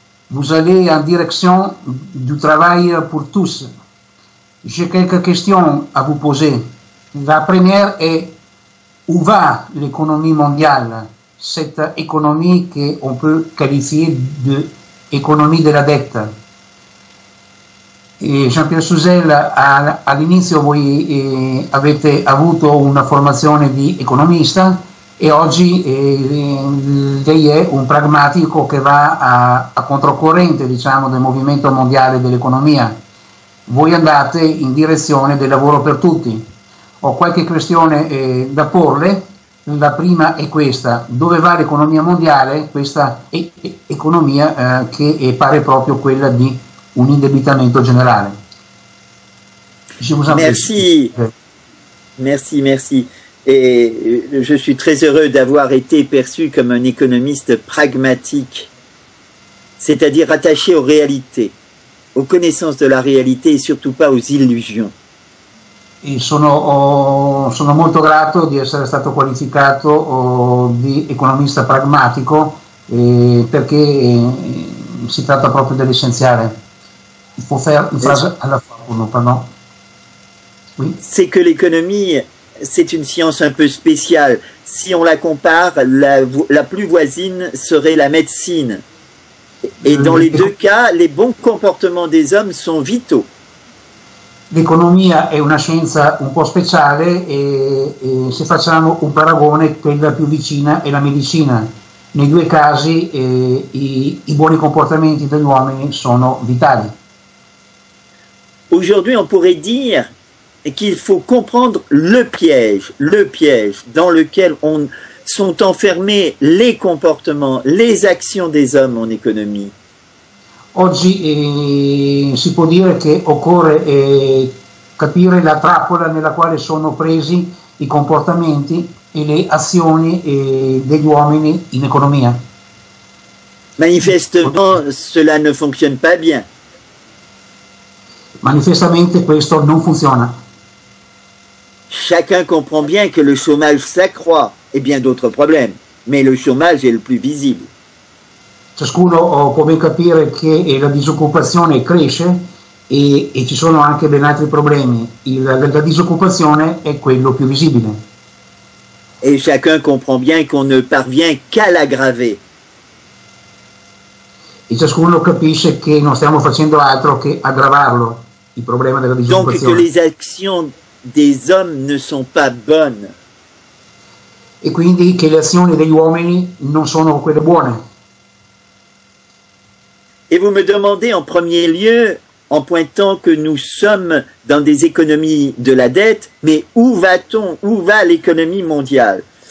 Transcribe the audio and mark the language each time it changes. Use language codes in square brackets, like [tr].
[fr] Vous allez en direction du travail pour tous. J'ai quelques questions à vous poser. La première est: où va l'économie mondiale, cette économie che on peut qualifier d'économie de la dette? [it] Jean-Pierre Souzel, all'inizio voi avete avuto una formazione di economista e oggi lei è un pragmatico che va a controcorrente, diciamo, del movimento mondiale dell'economia. Voi andate in direzione del lavoro per tutti. Ho qualche questione da porle. La prima è questa: dove va l'economia mondiale? Questa è economia che pare proprio quella di un indebitamento generale. [fr] Je vous en prie. Merci, merci, merci. Et je suis très heureux d'avoir été perçu comme un économiste pragmatique, c'est-à-dire rattaché aux réalités, aux connaissances de la réalité et surtout pas aux illusions. [it] E sono molto grato di essere stato qualificato di economista pragmatico perché si tratta proprio dell'essenziale. Può fare in [fr] Merci. [it] frase alla formula, [fr] pardon. Oui. C'est que l'économie, c'est une science un peu spéciale. Si on la compare, la plus voisine serait la médecine. Et dans les deux cas, les bons comportements des hommes sont vitaux. [it] L'economia è una scienza un po' speciale e se facciamo un paragone, quella più vicina è la medicina. Nei due casi i buoni comportamenti degli uomini sono vitali. [fr] Aujourd'hui, on pourrait dire et qu'il faut comprendre le piège dans lequel sont enfermés les comportements, les actions des hommes en économie. [it] Oggi si può dire che occorre capire la trappola nella quale sono presi i comportamenti e le azioni degli uomini in economia. [fr] Manifestement, cela ne fonctionne pas bien. [it] Manifestamente questo non funziona. [fr] Chacun comprend bien que le chômage s'accroît et bien d'autres problèmes, mais le chômage est le plus visible. [it] Ciascuno può ben capire che la disoccupazione cresce. E ci sono anche ben altri problemi. La disoccupazione è quello più visibile. [fr] Et chacun comprend bien qu'on ne parvient qu'à l'aggraver. [it] E ciascuno capisce che non stiamo facendo altro che aggravarlo, il problema della [fr] Donc que [it] disoccupazione. [fr] les actions des hommes ne sont pas bonnes. [it] E quindi che le azioni degli uomini non sono quelle buone. [fr] Et vous me demandez en premier lieu, en pointant que nous sommes dans des économies de la dette, mais où va-t-on? Où va l'économie mondiale?